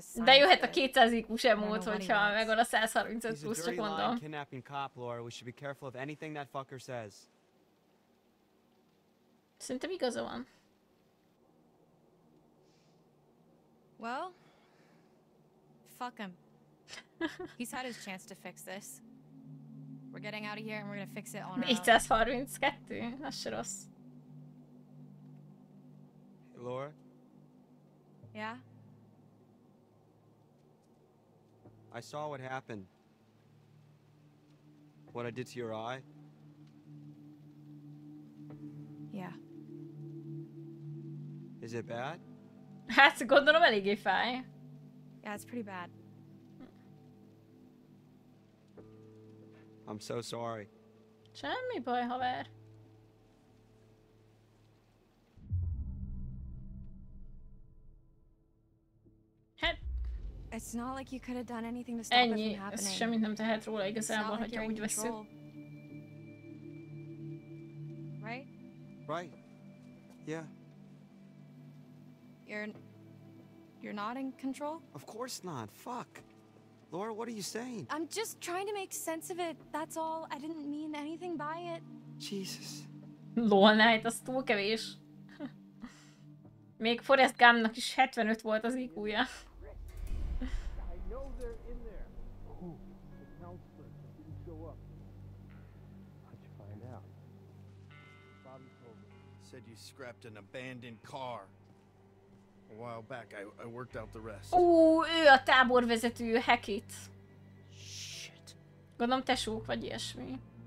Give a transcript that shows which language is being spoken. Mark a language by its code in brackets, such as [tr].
[hu] science. De jöhet a 200 IQ emót, hogyha megvan a 135 plusz, csak mondom. [en] He's a dirty lying kidnapping cop, Laura. We should be careful of anything that fucker says. [hu] Szerintem igaza van. [en] Well, fuck him. He's had his chance to fix this. We're getting out of here and we're gonna fix it on our own. [hu] 432, az se rossz. [en] Hey, Laura? Yeah? I saw what happened. What I did to your eye. Yeah. Is it bad? [hu] Hát, gondolom eléggé fáj. [en] Yeah, it's pretty bad. I'm so sorry. [hu] Semmi baj, haver. Hát. [en] It's not like you could have done anything to stop it from happening. [hu] Ennyi, ez semmit nem tehet róla igazából, hogyha úgy veszük. [en] Right? Right. Yeah. You're not in control? Of course not. Fuck. Laura, what are you saying? I'm just trying to make sense of it. That's all. I didn't mean anything by it. Jesus. [hu] Lóna, hát az túl kevés. Még Forrest Gumpnak is 75 volt az IQ-ja. [en] I know they're in there. Who? The counselor didn't show up. How'd you find out? Bobby told me. Said you scrapped an abandoned car. A while back, I worked out the rest. [hu] Ő a táborvezető, Hackett. [en] Shit. [hu] Gondolom tesók vagy ilyesmi.